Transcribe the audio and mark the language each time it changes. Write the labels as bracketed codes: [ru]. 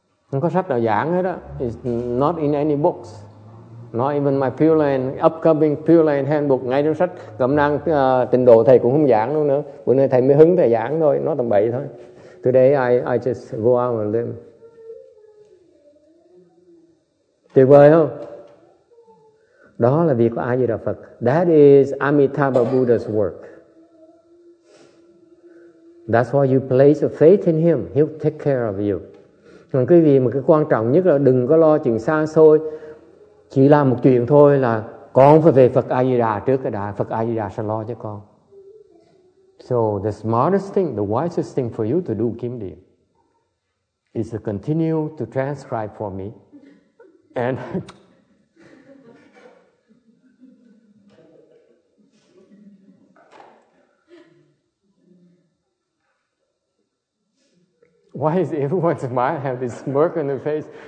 [vi] Không có sách nào giảng hết đó. [en] It's not in any books. Not even my Pure Land, upcoming Pure Land handbook, [vi] ngay trong sách cẩm nang tịnh độ thầy cũng không giảng luôn nữa. Bữa nay thầy mới hứng thầy giảng thôi, nó tầm bậy thôi. [en] Today I just go out and live. [vi] Tuyệt vời không? Đó là việc của A Di Đà Phật. [en] That is Amitabha Buddha's work. That's why you place a faith in him. He'll take care of you. [vi] Còn quý vị, mà cái quan trọng nhất là đừng có lo chuyện xa xôi. chỉ làm một chuyện thôi là con phải về Phật A Di Đà trước cái đã, Phật A Di Đà sẽ lo cho con. [en] So the smartest thing, the wisest thing for you to do, Kim Điền, is to continue to transcribe for me. And why is everyone smile have this smirk on their face?